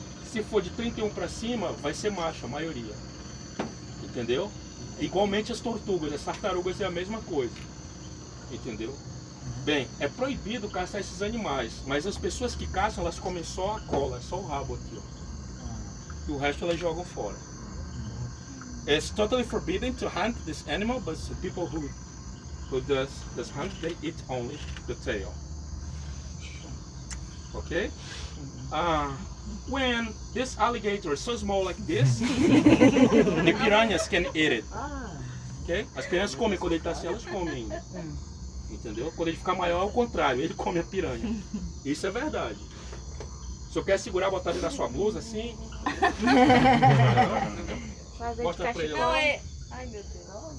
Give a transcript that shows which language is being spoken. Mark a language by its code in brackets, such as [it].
[pt] Se for de 31 para cima, vai ser macho, a maioria. Entendeu? Igualmente as tortugas, as tartarugas é a mesma coisa. Entendeu? Bem, é proibido caçar esses animais, mas as pessoas que caçam, elas comem só a cola, só o rabo aqui, ó. E o resto elas jogam fora. [en] It's totally forbidden to hunt this animal, but the people who does hunt, they eat only the tail. Ok? When this alligator is so small like this, the piranhas can eat it. Okay? [pt] As piranhas comem, quando ele está assim, elas comem. Entendeu? Quando ele ficar maior, é o contrário, ele come a piranha. Isso é verdade. Se eu quer segurar, botar ele na sua blusa assim. Mostra pra ele lá. Ai, meu Deus.